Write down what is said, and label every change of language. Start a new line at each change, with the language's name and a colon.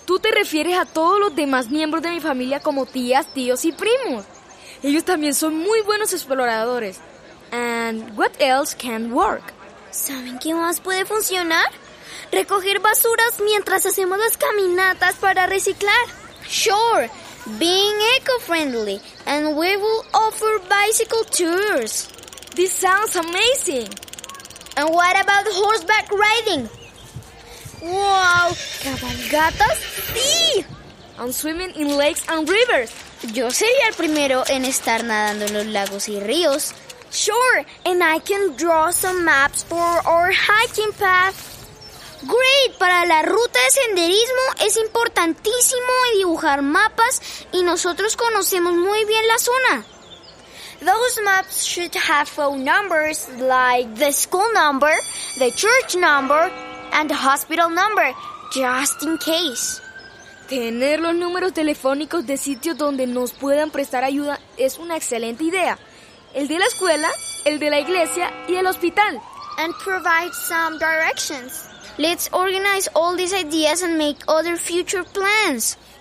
Spanish: Tú te refieres a todos los demás miembros de mi familia como tías, tíos y primos. Ellos también son muy buenos exploradores.
English: And what else can work?
Spanish: ¿Saben qué más puede funcionar? Recoger basuras mientras hacemos las caminatas para reciclar.
English: Sure, being eco-friendly, and we will offer bicycle tours. This sounds amazing. And what about horseback riding?
Spanish: ¡Wow! ¿Cabalgatas? ¡Sí!
English: And swimming in lakes and rivers.
Spanish: Yo sería el primero en estar nadando en los lagos y ríos.
English: Sure, and I can draw some maps for our hiking path.
Spanish: Great, para la ruta de senderismo es importantísimo dibujar mapas y nosotros conocemos muy bien la zona.
English: Those maps should have phone numbers like the school number, the church number, and the hospital number, just in case.
Spanish: Tener los números telefónicos de sitios donde nos puedan prestar ayuda es una excelente idea. El de la escuela, el de la iglesia y el hospital.
English: And provide some directions. Let's organize all these ideas and make other future plans.